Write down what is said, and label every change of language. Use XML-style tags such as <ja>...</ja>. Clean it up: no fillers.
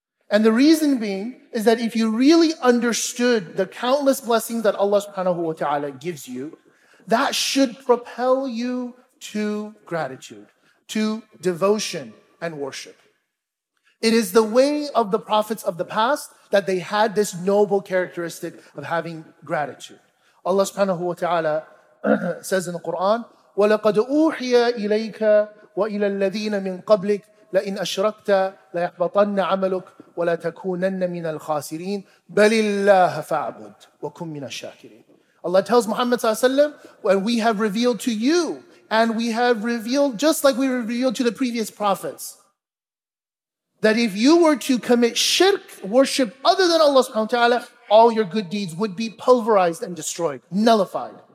<en>And the reason being is that if you really understood the countless blessings that Allah subhanahu wa ta'ala gives you, that should propel you to gratitude, to devotion, and worship. It is the way of the prophets of the past that they had this noble characteristic of having gratitude. Allah subhanahu wa ta'ala says in the Quran,</en> <ar>وَلَقَدْ أُوحِيَ إِلَيْكَ وَإِلَى الَّذِينَ مِنْ قَبْلِكَ لَإِنْ أَشْرَكْتَ لَيَحْبَطَنَّ عَمَلُكَ وَلَا تَكُونَنَّ مِنَ الْخَاسِرِينَ بَلِ اللَّهَ فَاعْبُدْ وَكُمْ مِنَ الشَّاكِرِينَ.</ar> <en>Allah tells Muhammad sallallahu alayhi wa sallam, when we have revealed to you, and we have revealed just like we revealed to the previous prophets, that if you were to commit shirk, worship other than Allah subhanahu wa ta'ala, all your good deeds would be pulverized and destroyed, nullified.</en>